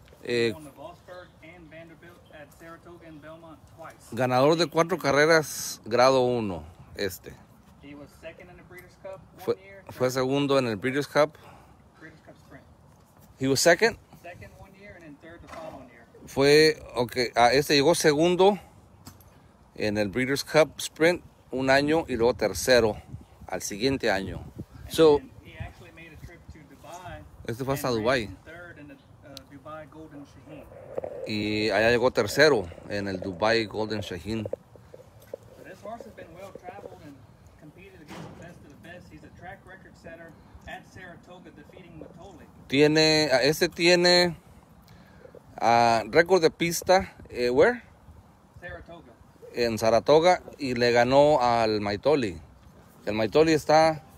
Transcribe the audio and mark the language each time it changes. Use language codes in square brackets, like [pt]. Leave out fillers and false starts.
[en] He won the Vosburg and Vanderbilt at Saratoga and Belmont twice. [es] Ganador de 4 carreras, grado 1, este. [en] He was second in the Breeders' Cup [es] Fue segundo en el Breeders' Cup. [en] Breeders' Cup sprint. He was second? Second 1 year and then third the following year. [es] Fue, okay, este llegó segundo en el Breeders' Cup sprint. Un año y luego tercero al siguiente año. [en] And so, he actually made a trip to Dubai. [es] Este fue hasta Dubai. [en] Dubai Golden Shaheen. [es] Y allá llegó tercero en el Dubai Golden Shaheen. [en] So this horse has been well traveled and competed against the best of the best. He's a track record setter at Saratoga defeating Matoli. [es] Tiene récord de pista. [en] Where? [es] En Saratoga, y le ganó al Maitoli. El Maitoli está...